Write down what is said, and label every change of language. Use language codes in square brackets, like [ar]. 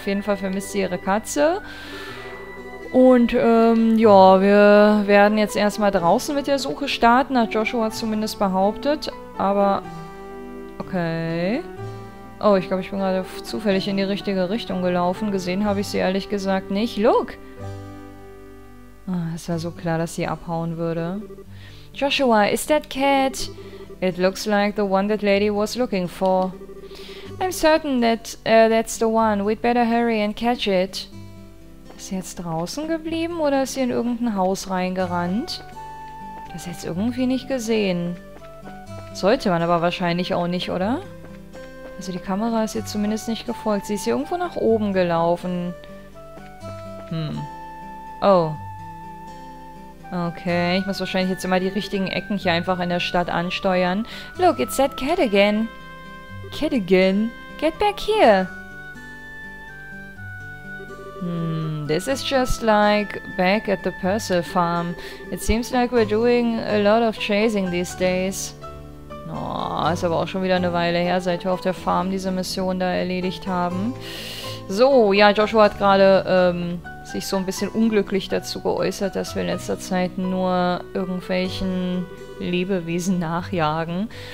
[de] Auf jeden Fall vermisst sie ihre Katze. Und ja, wir werden jetzt erstmal draußen mit der Suche starten, hat Joshua zumindest behauptet. Aber, okay. Oh, ich glaube, ich bin gerade zufällig in die richtige Richtung gelaufen. Gesehen habe ich sie ehrlich gesagt nicht. [en] Look! [de] Es war so klar, dass sie abhauen würde. [en] Joshua, is that cat? It looks like the one that lady was looking for. I'm certain that that's the one. We'd better hurry and catch it. [de] Ist sie jetzt draußen geblieben oder ist sie in irgendein Haus reingerannt? Das ist jetzt irgendwie nicht gesehen. Sollte man aber wahrscheinlich auch nicht, oder? Also die Kamera ist ihr zumindest nicht gefolgt. Sie ist hier irgendwo nach oben gelaufen. Hm. Oh. Okay, ich muss wahrscheinlich jetzt immer die richtigen Ecken hier einfach in der Stadt ansteuern. [en] Look, it's that cat again. Cat again? Get back here. Hmm, this is just like back at the Purcell farm. It seems like we're doing a lot of chasing these days. [de] Oh, ist aber auch schon wieder eine Weile her, seit wir auf der Farm diese Mission da erledigt haben. So, ja, Joshua hat gerade, sich so ein bisschen unglücklich dazu geäußert, dass wir in letzter Zeit nur irgendwelchen Lebewesen nachjagen.